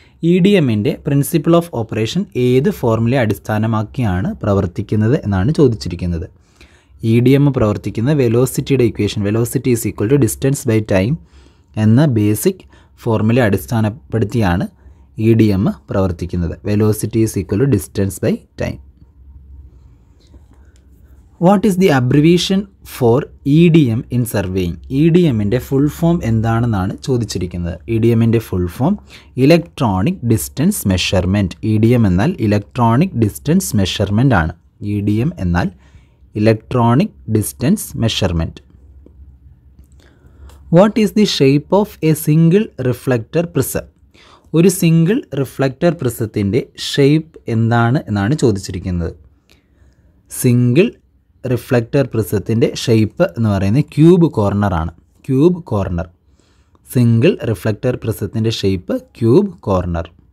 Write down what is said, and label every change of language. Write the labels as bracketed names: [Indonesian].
[Malayalam] E D എമ്മിൻ്റെ principle of operation ഏത് ഫോർമുലയെ അടിസ്ഥാനമാക്കിയാണ് പ്രവർത്തിക്കുന്നത് എന്നാണ് ചോദിച്ചിരിക്കുന്നത്. ഇ ഡി എം പ്രവർത്തിക്കുന്ന വെലോസിറ്റിയുടെ equation, [English] velocity is equal to distance by time [Malayalam] എന്ന ബേസിക് ഫോർമുല അടിസ്ഥാനപ്പെടുത്തിയാണ് ഇ ഡി എം പ്രവർത്തിക്കുന്നത്. Velocity is equal to distance by time. [English] What is the abbreviation for EDM in surveying? EDM in the full form [Malayalam] എന്താണെന്നാണ് ചോദിച്ചിരിക്കുന്നത്. [English] EDM in the full form, electronic distance measurement. EDM എന്നാൽ electronic distance measurement ആണ്. EDM എന്നാൽ electronic distance measurement. What is the shape of a single reflector prism? [Malayalam] ഒരു single reflector പ്രിസത്തിൻ്റെ shape എന്താണ് എന്നാണ് ചോദിച്ചിരിക്കുന്നത്. Single reflector പ്രിസത്തിൻ്റെ shape എന്ന് പറയുന്നത് cube കോർണറാണ്. Cube corner, single reflector പ്രിസത്തിൻ്റെ shape cube corner.